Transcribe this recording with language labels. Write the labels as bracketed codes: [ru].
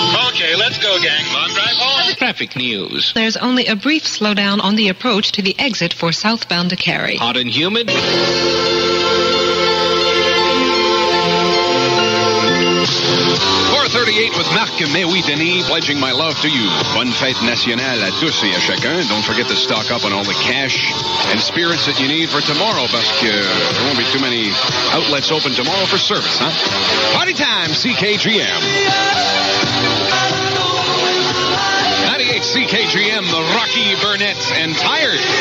[en] Okay, let's go, gang. Long drive home. Traffic news. There's only a brief slowdown on the approach to the exit for southbound to Cary. Hot and humid. With Marc Marie Denis pledging my love to you. [fr] Bonne fête nationale à tous et à chacun. [en] Don't forget to stock up on all the cash and spirits that you need for tomorrow, parce que there won't be too many outlets open tomorrow for service, huh? Party time, CKGM. 98 CKGM, the Rocky Burnett and Tired